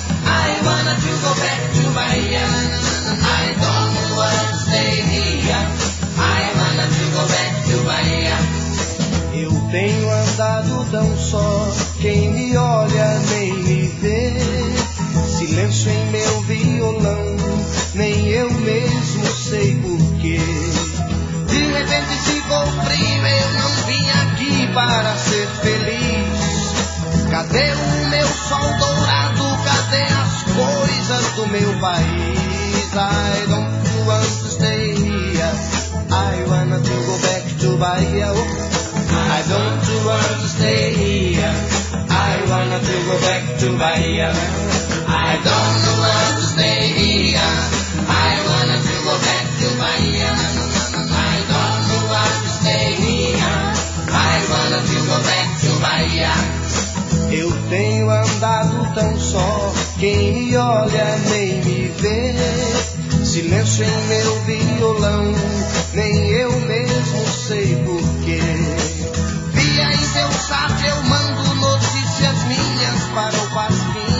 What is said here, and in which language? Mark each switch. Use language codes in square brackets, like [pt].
[en] I wanna to go back to Bahia. I don't want to stay here. I wanna to go back to Bahia. [pt] Eu tenho andado tão só, quem me olha nem me vê. Silêncio em meu violão, nem eu mesmo sei porquê. De repente ficou frio, eu não vim aqui para ser feliz. Cadê o meu sol dourado? Cadê as coisas do meu país? [en] I don't want to stay here. I wanna to go back to Bahia. Oh. I don't want to stay here. I wanna to go back to Bahia. I don't know how to stay here. I wanna to go back to Bahia. I don't know how to stay here. I wanna to go back to Bahia. [pt] Eu tenho andado tão só, quem me olha nem me vê. Silêncio em meu violão, nem eu mesmo sei porquê. Via em seu sábio, eu mando notícias minhas para o passado.